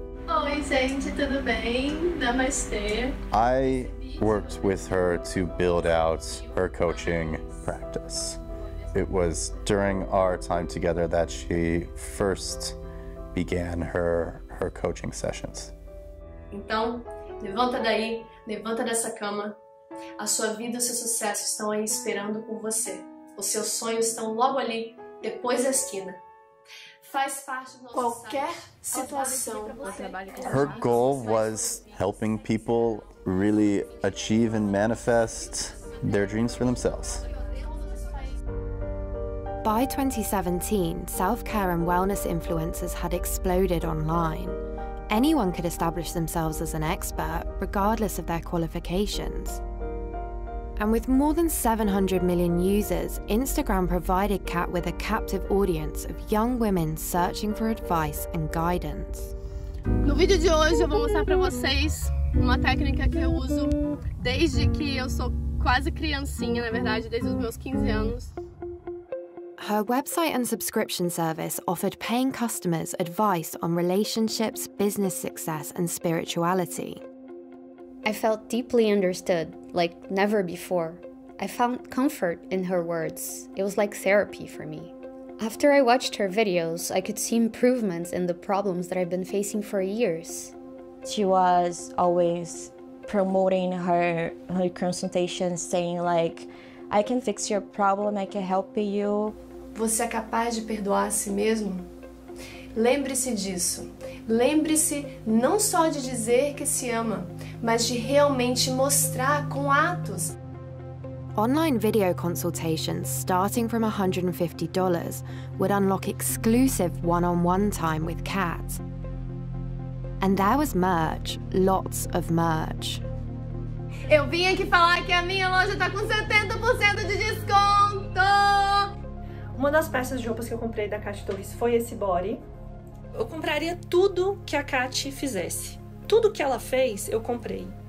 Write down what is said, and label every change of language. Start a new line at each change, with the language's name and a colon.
Portuguese: Oi, gente, tudo bem? Namastê.
English: I worked with her to build out her coaching practice. It was during our time together that she first began her coaching sessions.
Portuguese: Então, levanta daí, levanta dessa cama. A sua vida e o seu sucesso estão aí esperando por você. Os seus sonhos estão logo ali, depois da esquina. Faz parte do nosso qualquer situação.
English: Her goal was helping people really achieve and manifest their dreams for themselves. By 2017, self-care and wellness influencers had exploded online. Anyone could establish themselves as an expert, regardless of their qualifications. And with more than 700 million users, Instagram provided Kat with a captive audience of young women searching for advice and guidance.
Portuguese: No vídeo de hoje eu vou mostrar para vocês uma técnica que eu uso desde que eu sou quase criancinha, na verdade, desde os meus 15 anos.
English: Her website and subscription service offered paying customers advice on relationships, business success, and spirituality. I felt deeply understood, like never before. I found comfort in her words. It was like therapy for me. After I watched her videos, I could see improvements in the problems that I've been facing for years. She was always promoting her consultations, saying like, I can fix your problem, I can help you.
Portuguese: Você é capaz de perdoar a si mesmo? Lembre-se disso. Lembre-se não só de dizer que se ama, mas de realmente mostrar com atos.
English: Online video consultations, starting from $150, would unlock exclusive one-on-one time with Kat. And there was merch, lots of merch.
Portuguese: Eu vim aqui falar que a minha loja tá com 70% de desconto! Uma das peças de roupas que eu comprei da Kat Torres foi esse body. Eu compraria tudo que a Kat fizesse. Tudo que ela fez, eu comprei.